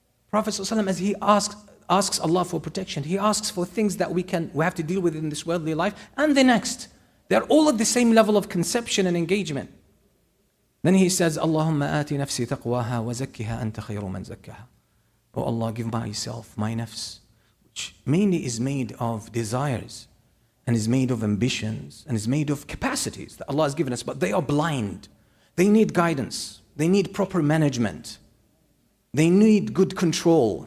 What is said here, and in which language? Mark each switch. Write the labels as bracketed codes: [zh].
[en] Prophet ﷺ, as he asks Allah for protection, he asks for things that we have to deal with in this worldly life, and the next. They're all at the same level of conception and engagement. Then he says, [ar] اللهم آتي نفسي تقواها وزكها أنت خير من زكها. [en] Oh Allah, give myself, my nafs, which mainly is made of desires and is made of ambitions and is made of capacities that Allah has given us, but they are blind. They need guidance. They need proper management. They need good control.